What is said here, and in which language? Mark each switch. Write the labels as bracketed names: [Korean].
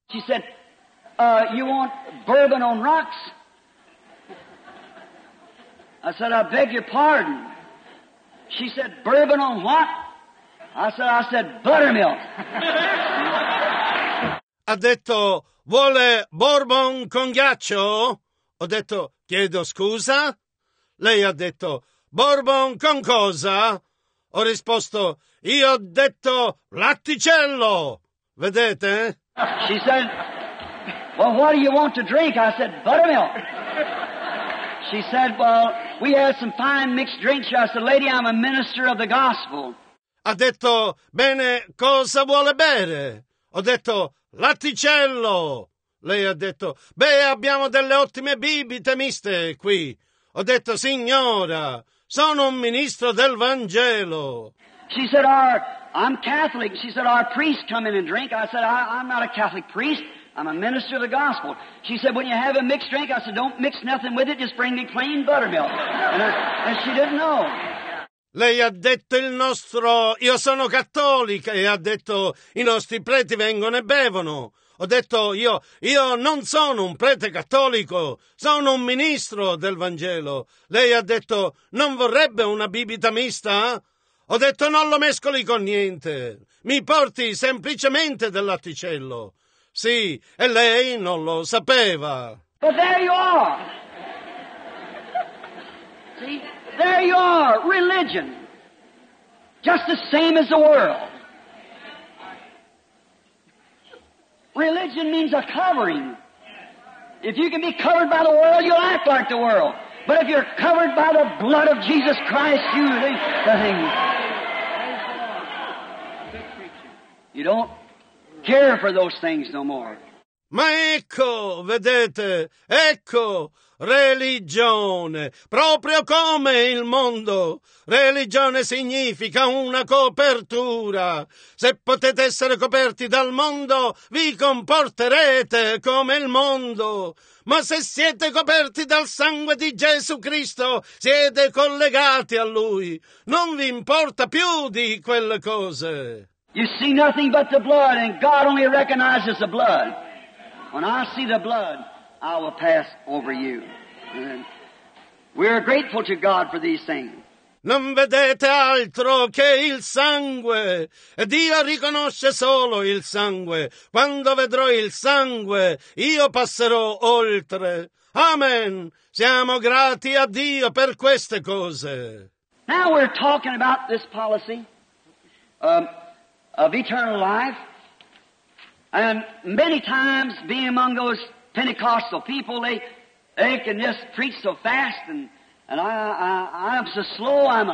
[English] She said, you want bourbon on rocks? I said, I beg your pardon. She said, bourbon on what? I said, buttermilk. [Italian] Ha detto, vuole bourbon con ghiaccio? Ho detto, chiedo scusa? Lei ha detto, bourbon con cosa? Ho risposto, io ho detto, latticello! Vedete? [English] She said, well, what do you want to drink? I said, buttermilk. She said, well, we have some fine mixed drinks. I said, lady, I'm a minister of the gospel. [Italian] Ha detto, bene, cosa vuole bere? Ho detto, latticello. Lei ha detto, beh, abbiamo delle ottime bibite miste qui. Ho detto, signora, sono un ministro del Vangelo. [English] She said, I'm Catholic. She said, our priest come in and drink. I said, I'm not a Catholic priest. I'm a minister of the gospel. She said, when you have a mixed drink, I said, don't mix nothing with it. Just bring me plain buttermilk. And she didn't know. [Italian] Lei ha detto il nostro, io sono cattolica, e ha detto, i nostri preti vengono e bevono. Ho detto, io non sono un prete cattolico, sono un ministro del Vangelo. Lei ha detto, non vorrebbe una bibita mista? Ho detto, non lo mescoli con niente, mi porti semplicemente del latticello. Sì, e lei non lo sapeva. [English] But there you are. See? There you are, religion, just the same as the world. Religion means a covering. If you can be covered by the world, you'll act like the world. But if you're covered by the blood of Jesus Christ, you think the thing. You don't care for those things no more. [Italian] Ma ecco, vedete, ecco, religione, proprio come il mondo. Religione significa una copertura. Se potete essere coperti dal mondo, vi comporterete come il mondo. Ma se siete coperti dal sangue di Gesù Cristo, siete collegati a Lui. Non vi importa più di quelle cose. [English] You see nothing but the blood, and God only recognizes the blood. When I see the blood, I will pass over you. We are grateful to God for these things. [Italian] Non vedete altro che il sangue. E Dio riconosce solo il sangue. Quando vedrò il sangue, io passerò oltre. Amen. Siamo grati a Dio per queste cose. [English] Now we're talking about this policy of eternal life. And many times, being among those Pentecostal people, they can just preach so fast, and I'm so slow.